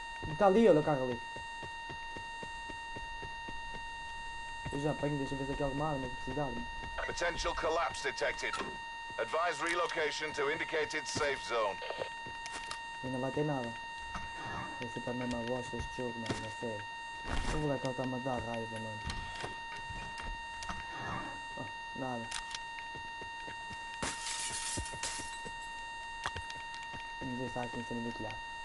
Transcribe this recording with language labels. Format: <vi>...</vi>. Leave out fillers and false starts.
<pt>Está ali, olha o carro ali. Eu já apanho, deixa eu ver se aqui alguma arma precisar.</pt> <en>Potential collapse detected. Advise relocation to indicated safe zone.</en> <pt>E não vai ter nada. Esse é para mim uma bosta este jogo, mano, não sei. O moleque está a me dar raiva, mano. Oh, nada. Vamos ver se está aqui em cima do telhado.</pt>